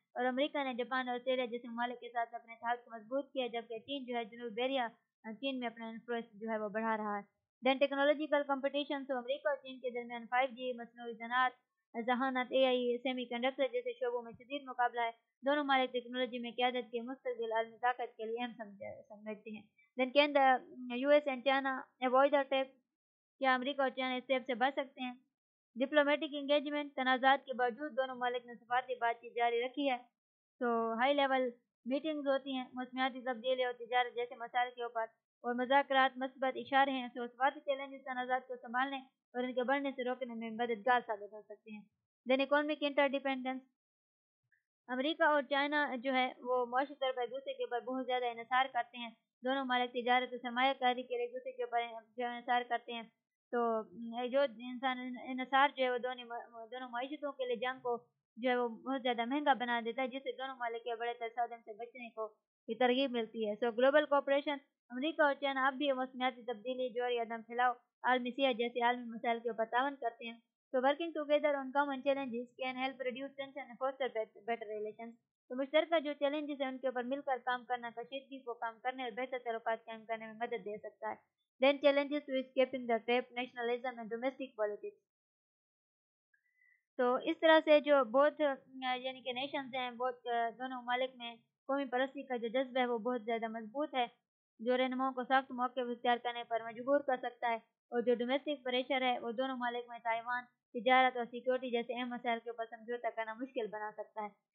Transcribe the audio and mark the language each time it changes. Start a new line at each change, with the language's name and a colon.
Urdu: اور امریکہ نے جاپان اور آسٹریلیا جیسے ممالک کے ساتھ اپنے اتحاد کو مضبوط کیا جبکہ چین جو ہے جنوبی بیریا چین میں اپنا انفلوئنس جو ہے وہ بڑھا رہا ہے.
English: Then technological competition.
Urdu: تو امریکہ اور چین کے درمیان 5G مصنوعی صنعت ذہانت اے آئی سیمی کنڈکٹر جیسے شعبوں میں شدید مقابلہ ہے. دونوں ممالک ٹیکنالوجی میں قیادت کے مستقبل عالمی طاقت کے لیے اہم سمجھتے ہیں.
English: Then can the U S and China avoid the trap.
Urdu: کیا امریکہ اور چائنا اس ٹیپ سے بچ سکتے ہیں؟
English: Diplomatic engagement.
Urdu: تنازعات کے باوجود دونوں ممالک نے سفارتی بات چیت جاری رکھی ہے. تو ہائی لیول میٹنگز ہوتی ہیں موسمیاتی تبدیلی اور تجارت جیسے مسائل کے اوپر اور مذاکرات مثبت اشارے ہیں. تو سفارتی چیلنجز تنازعات کو سنبھالنے اور ان کے بڑھنے سے روکنے میں مددگار ثابت ہو سکتے ہیں.
English: Then economic inter dependence.
Urdu: امریکہ اور چائنا جو ہے وہ معاشی طور پر ایک دوسرے کے اوپر بہت زیادہ انحصار کرتے ہیں. دونوں ممالک تجارت اور سرمایہ کاری کے لیے ایک دوسرے کے اوپر انحصار کرتے ہیں. تو جو انسان انحصار جو ہے وہ دونوں معیشتوں کے لیے جنگ کو جو ہے وہ بہت زیادہ مہنگا بنا دیتا ہے جس سے دونوں ممالک کے بڑے تصادم سے بچنے کو کی ترغیب ملتی ہے.
English: So global cooperation.
Urdu: امریکہ اور چائنا اب بھی موسمیاتی تبدیلی جوہری عدم پھیلاؤ عالمی سیاح جیسے عالمی مسائل کے اوپر تعاون کرتے ہیں.
English: تو working together in common challenges can help reduce tension and foster better relations.
Urdu: تو مشترکہ جو چیلنجز ہیں ان کے اوپر مل کر کام کرنا کشیدگی کو کام کرنے اور بہتر تعلقات قائم کرنے میں مدد دے سکتا ہے.
English: Then challenges to escaping the trap nationalism and domestic politics.
Urdu: تو اس طرح سے جو بہت یعنی کہ نیشنز ہیں بہت دونوں ممالک میں قومی پرستی کا جو جذبہ ہے وہ بہت زیادہ مضبوط ہے جو رہنماؤں کو سخت موقع اختیار کرنے پر مجبور کر سکتا ہے. اور جو ڈومیسٹک پریشر ہے وہ دونوں ممالک میں تائیوان تجارت اور سیکورٹی جیسے اہم مسائل کے اوپر سمجھوتا کرنا مشکل بنا سکتا ہے.